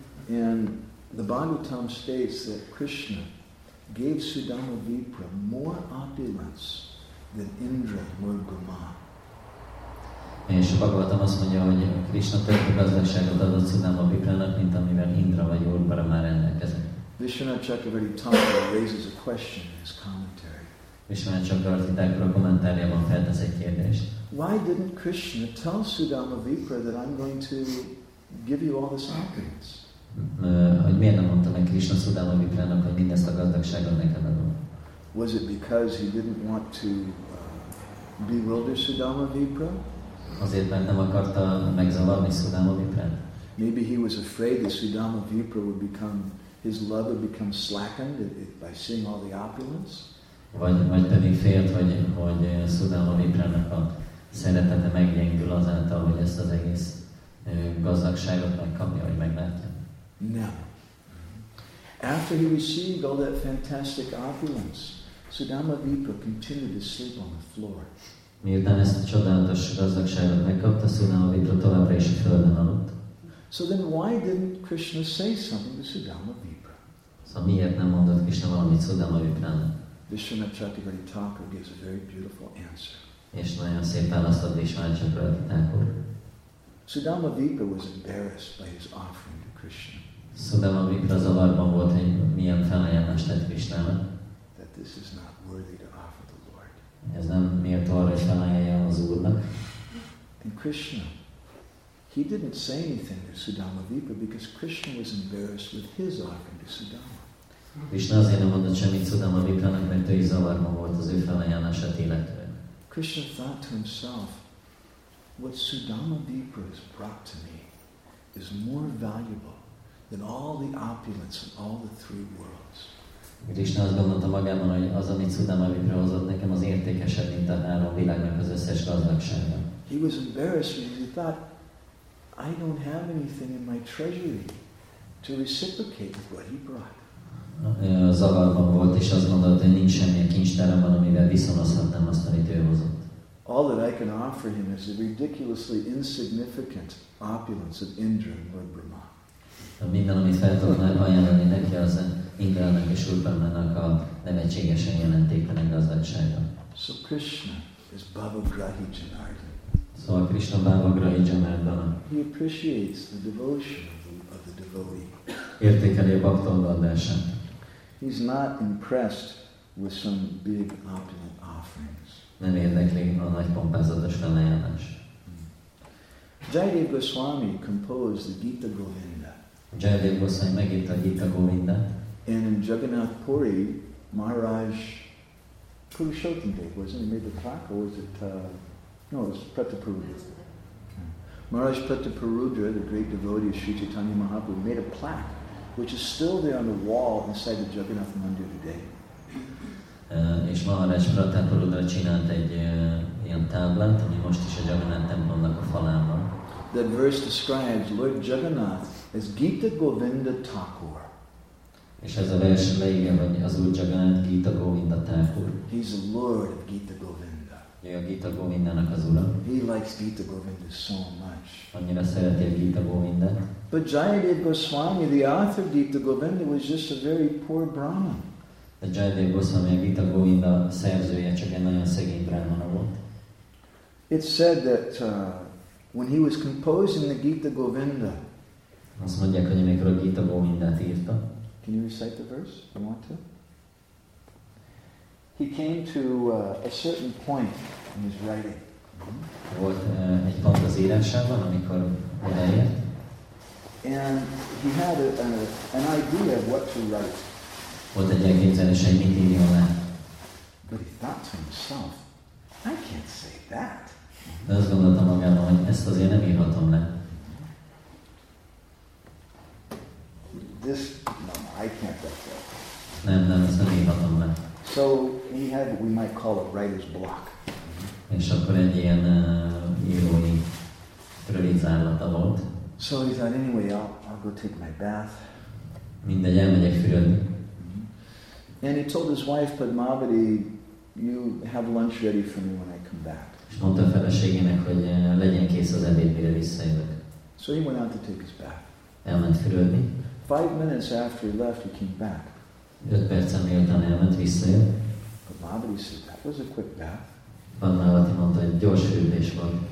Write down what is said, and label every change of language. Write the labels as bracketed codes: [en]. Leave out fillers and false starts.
[en] And the Bhagavatam states that Krishna gave Sudama Vipra more opulence than Indra or Guma. [hu] És a Bhagavatam azt mondja, hogy Krishna több gazdagságot adott Sudama Vipranak, mint amivel Indra vagy Urbara már rendelkezett. [en] Vishnu Chakrabarti Thakura raises a question in his commentary. [hu] Vishnu Chakrabarti Thakura kommentáriában feltesz egy kérdést. [en] Why didn't Krishna tell Sudama Vipra that I'm going to give you all this opulence? [hu] Hogy miért nem mondta meg Krishna Sudama Vipranak, hogy mindezt a gazdagságot neked adom? [en] Was it because he didn't want to bewilder Sudama Vipra? [hu] Azért, mert nem akarta megzavarni Sudama Viprát. [en] Maybe he was afraid that Sudama Vipra would become, his love would become slackened by seeing all the opulence. [hu] Vagy pedig félt, hogy Sudama Viprának a szeretete meggyengül azáltal, hogy ezt az egész gazdagságot megkapja, hogy meglátja. [en] No. After he received all that fantastic opulence, Sudama Vipra continued to sleep on the floor. [hu] Miután ezt a csodálatos gazdagságot megkapta, Sudama Vipra továbbra is a földön aludt. [en] So then why didn't Krishna say something to Sudama Vipra? [hu] Szóval miért nem mondott Krishna valamit Sudama Vipránál? [en] Vishwanatha Chakravarti Thakur gives a very beautiful answer. [hu] És nagyon szép választ ad Vishwanatha Chakravarti Thakur. [en] Sudama Vipra was embarrassed by his offering to Krishna. [hu] Sudama Vipra zavarban volt, hogy milyen felajánlást tett Krishnának. [en] That this is not worthy to offer the Lord. [hu] Ez nem méltó arra, hogy felajánljon az Úrnak. [en] And Krishna, he didn't say anything to Sudama Vipra because Krishna was embarrassed with his offering to Sudama. [hu] Krishna azért nem mondott semmit Sudama Vipranak, mert ő is zavarban volt az ő felajánlását illetően. [en] Krishna thought to himself, what Sudama Vipra has brought to me is more valuable than all the opulence of all the three worlds. [hu] Krishna azt gondolta magában, hogy az, amit Sudama Vipra hozott nekem, az értékesebb, mint a három világnak az összes gazdagsága. [en] He was embarrassed because he thought, I don't have anything in my treasury to reciprocate with what he brought. [hu] Zavarban volt, és azt gondolta, hogy nincs semmi a kincstáramban, amivel viszonozhatnám azt, amit ő hozott. [en] All that I can offer him is a ridiculously insignificant opulence of Indra and Lord Brahma. [hu] Minden, amit fel tudnám ajánlani neki, az Indra-nak és Úrbrahmának a nevetségesen jelentéktelen gazdagsága. [en] So Krishna is Bhava Grahi Janardana. [hu] Szóval Krishna Bhava Grahi Janardana. [en] He appreciates the devotion of the devotee. [hu] Értékeli a bhakta odaadását. [en] He's not impressed with some big opulent offerings. [hu] Nem érdekli a nagy pompázatos felajánlás. [en] Jaidev Goswami composed the Gita Govinda. [hu] Jaidev Goswami megírta a Gita Govinda. [en] And in Jagannath Puri, Maharaj Purushottam Dev, wasn't he made the talk, or was it, no, it was Prataparudra. Maharaj Prataparudra, the great devotee of Sri Chaitanya Mahaprabhu, made a plaque, which is still there on the wall inside the Jagannath Mandir today. [hu] És Maharaj Prataparudra csinált egy ilyen táblát, ami most is a Jagannath templomnak a falán van. [en] That verse describes Lord Jagannath as Gita Govinda Thakur. [hu] És ez a vers leírja, hogy az Úr Jagannath Gita Govinda Thakur. [en] He's the Lord of Gita Govinda. [hu] Ő a Gita Govindának az ura. [en] He likes Gita Govinda so much. [hu] Annyira szereti a Gita Govindát. [en] But Jayadev Goswami, the author of Gita Govinda, was just a very poor Brahman. [hu] De Jayadev Goswami, a Gita Govinda szerzője, csak egy nagyon szegény Brahmana volt. [en] It's said that when he was composing the Gita Govinda, [hu] azt mondják, hogy amikor a Gita Govindát írta, [en] can you recite the verse? I want to. He came to a certain point in his writing. [hu] Volt egy pont az írásában, amikor odaért. [en] And he had an idea of what to write. [hu] Volt egy elképzelés, hogy mit írjon le. [en] But he thought to himself, I can't say that. [hu] De azt gondolta magában, hogy ezt azért nem írhatom le. [en] This, no, I can't write that. [hu] Nem, ezt nem írhatom le. [en] So he had what we might call a writer's block. [hu] És akkor egy ilyen írói rövidzárlata volt. [en] So he thought, anyway, I'll go take my bath. [hu] Mindegy, elmegyek fürödni. [en] And he told his wife, Padmavati, you have lunch ready for me when I come back. [hu] És mondta a feleségének, hogy legyen kész az ebéd, mire visszajövök. [en] So he went out to take his bath. [hu] Elment fürödni. [en] 5 minutes after he left, he came back. [hu] 5 percen miután elment, visszajött. [en] Padmavati said, that was a quick bath. [hu] Padmavati mondta, egy gyors fürdés volt.